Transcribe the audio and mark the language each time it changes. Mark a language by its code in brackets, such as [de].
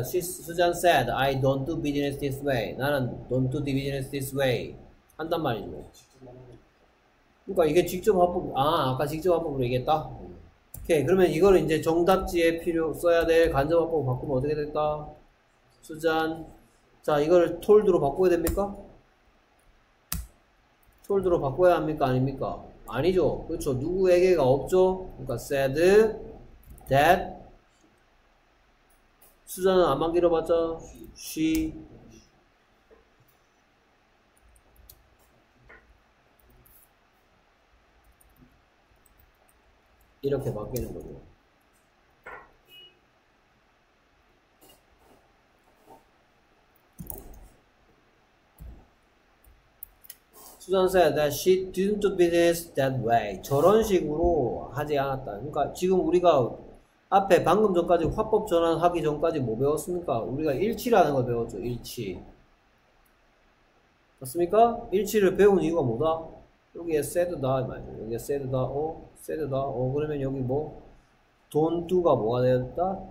[en] Susan said, I don't do business this way. [ko] 나는 [en] don't do business this way. [ko] 한단 말이죠. 그러니까 이게 직접 화법, 아까 직접 화법으로 얘기했다? 오케이. 그러면 이거를 이제 정답지에 필요, 써야 될 간접 화법 바꾸면 어떻게 될까? Susan, 자, 이거를 told로 바꿔야 됩니까? told로 바꿔야 합니까? 아닙니까? 아니죠. 그렇죠. 누구에게가 없죠? 그러니까 said, that, 수자는 안만 길어봤자 she 이렇게 바뀌는 거죠. [en] 수잔 said that she didn't do business that way. [ko] 저런 식으로 하지 않았다. 그러니까 지금 우리가 앞에 방금 전까지 화법 전환하기 전까지 뭐 배웠습니까? 우리가 일치라는 걸 배웠죠. 일치. 맞습니까? 일치를 배운 이유가 뭐다? 여기에 said다 말이죠. 여기에 said다, said다, 그러면 여기 뭐 don't do가 뭐가 되었다?